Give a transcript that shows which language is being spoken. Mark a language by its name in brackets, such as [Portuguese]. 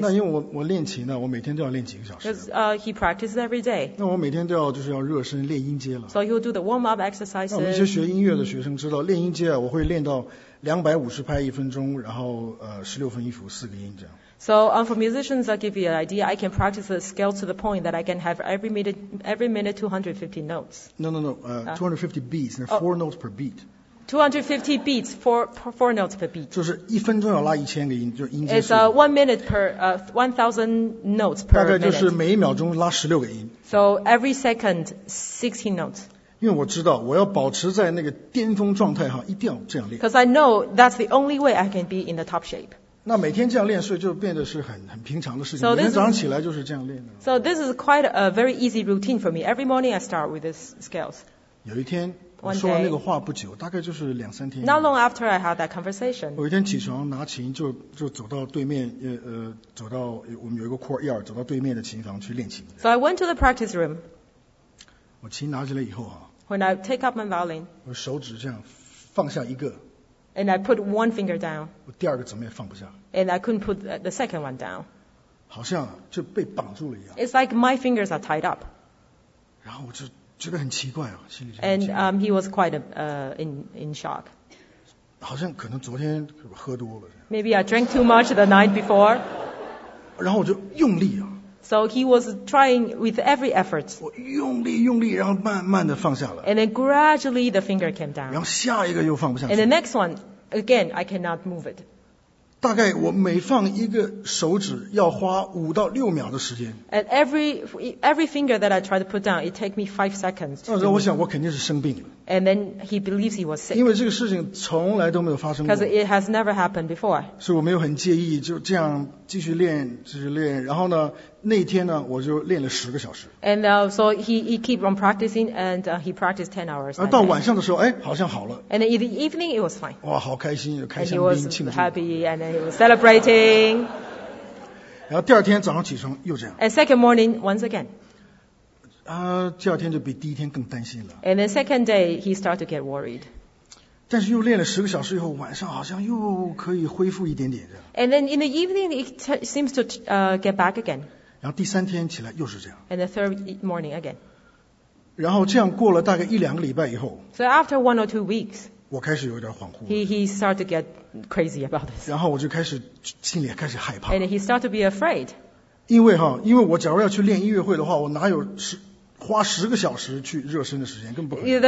[Chinese] 那因为 我练琴呢我每天都要练几个小时 [English] he practices every day. [Chinese] 那我每天都要就是要热身练音阶了 [English] So he'll do the warm up exercises. [Chinese] 那我们一些学音乐的学生知道练音阶、啊、我会练到250拍一分钟然后16分音符四个音这样 [English] So for musicians I'll give you an idea I can practice the scale to the point that I can have every minute 250 notes No 250 beats and 4 notes per beat 250 beats, four notes per beat. [Chinese] 就是一分钟要拉一千个音，就音阶。 [English] It's one minute per 1,000 notes per. [Chinese] 大概就是每一秒钟拉十六个音。 [English] So every second, 16 notes. [Chinese] 因为我知道我要保持在那个巅峰状态哈，一定要这样练。 [English] Because I know that's the only way I can be in the top shape. [Chinese] 那每天这样练，所以就变得是很平常的事情。每天早上起来就是这样练的。 [English] So this is quite a very easy routine for me. Every morning I start with these scales. [Chinese] 有一天。我说完那个话不久，大概就是两三天。 [English] Not long after I had that conversation. [Chinese] 我一天起床拿琴就走到对面，走到我们有一个 courtyard， 走到对面的琴房去练琴。 [English] So I went to the practice room. [Chinese] 我琴拿起来以后啊。 [English] When I take up my violin. [Chinese] 我手指这样放下一个。 [English] And I put one finger down. [Chinese] 我第二个怎么也放不下。 [English] And I couldn't put the second one down. [Chinese] 好像就被绑住了一样。 [English] It's like my fingers are tied up. [Chinese] 然后我就。觉得很奇怪啊，心里觉得很奇怪。 [English] And he was quite in shock. [Chinese] 好像可能昨天喝多了。 [English] Maybe I drank too much the night before. [Chinese] 然后我就用力啊。 [English] So he was trying with every effort. [Chinese] 我用力，然后慢慢的放下了。 [English] And then gradually the finger came down. [Chinese] 然后下一个又放不下去。 [English] And the next one, again, I cannot move it. [Chinese] 大概我每放一个手指要花五到六秒的时间。 [English] And every finger that I try to put down, it takes me 5 seconds. [Chinese] 那时候我想我肯定是生病了。 [English] And then he believes he was sick. [Chinese] 因为这个事情从来都没有发生过。 [English] Because it has never happened before. [Chinese] 所以我没有很介意，就这样继续练。然后呢，那天呢，我就练了十个小时。 [English] And so he keep on practicing, and he practiced 10 hours. [Chinese] 而到晚上的时候，哎，好像好了。 [English] And in the evening it was fine. [Chinese] 哇，好开心，开香槟庆祝。 [English] He was happy, and then he was celebrating. [Chinese] 然后第二天早上起床又这样。 [English] And second morning once again. [Chinese] 第二天就比第一天更担心了。 [English] And the second day, he started to get worried. [Chinese] 但是又练了十个小时以后，晚上好像又可以恢复一点点的。 [English] And then in the evening, it seems to get back again. [Chinese] 然后第三天起来又是这样。 [English] And the third morning again. [Chinese] 然后这样过了大概一两个礼拜以后。 [English] So after 1 or 2 weeks. [Chinese] 我开始有点恍惚。 [English] He started to get crazy about this. [Chinese] 然后我就开始心里开始害怕。 [English] And he started to be afraid. [Chinese] 因为我假如要去练音乐会的话，我哪有花十个小时去热身的时间，更不可能。